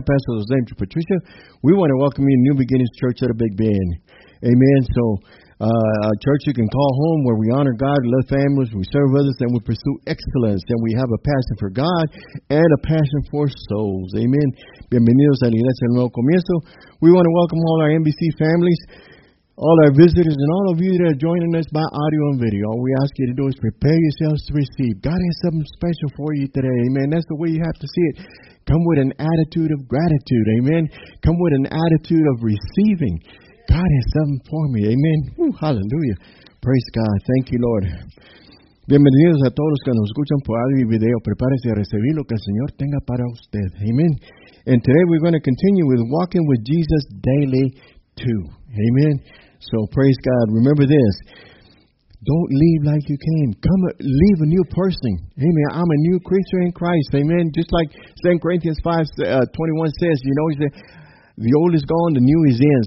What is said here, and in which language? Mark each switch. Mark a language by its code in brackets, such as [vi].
[en] Pastor Jose and Patricia, we want to welcome you to New Beginnings Church at a Big Ben. Amen. So, a church you can call home, where we honor God, love families, we serve others, and we pursue excellence, and we have a passion for God and a passion for souls. Amen. [es] Bienvenidos a la Iglesia del Nuevo Comienzo. [en] We want to welcome all our NBC families, all our visitors, and all of you that are joining us by audio and video. All we ask you to do is prepare yourselves to receive. God has something special for you today. Amen. That's the way you have to see it. Come with an attitude of gratitude. Amen. Come with an attitude of receiving. God has something for me. Amen. Ooh, hallelujah. Praise God. Thank you, Lord. [es] Bienvenidos a todos los que nos escuchan por audio y video. Prepárense a recibir lo que el Señor tenga para usted. [en] Amen. And today we're going to continue with Walking with Jesus Daily 2. Amen. So, praise God. Remember this. Don't leave like you came. Come, leave a new person. Amen. I'm a new creature in Christ. Amen. Just like 2 Corinthians 5:21 says, you know, he said, the old is gone, the new is in.